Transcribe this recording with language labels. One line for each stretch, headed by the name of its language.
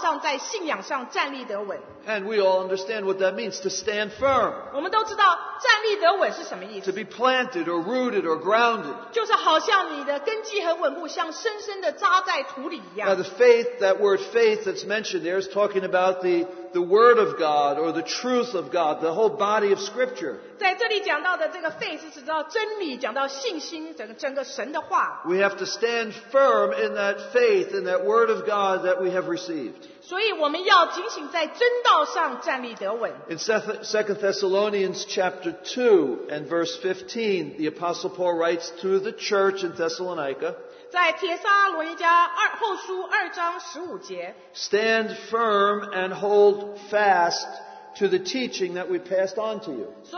Chinese: 所以在哥林多前书16章13节，他说：“哥林多的教会要在你们的真道上，在信仰上站立得稳。”
English: And we all understand what that means, to stand firm.
Chinese: 我们都知道站立得稳是什么意思。
English: To be planted or rooted or grounded.
Chinese: 就是好像你的根基很稳固，像深深的扎在土里一样。
English: Now the faith, that word faith that's mentioned there is talking about the word of God or the truth of God, the whole body of scripture.
Chinese: 在这里讲到的这个faith是指到真理，讲到信心，整个神的话。
English: We have to stand firm in that faith, in that word of God that we have received.
Chinese: 所以我们要警醒在真道上站立得稳。In
English: 2 Thessalonians chapter 2 and verse 15, the Apostle Paul writes to the church in Thessalonica,
Chinese: 在帖撒罗尼迦后书2章15节,
English: stand firm and hold fast to the teaching that we passed on to you.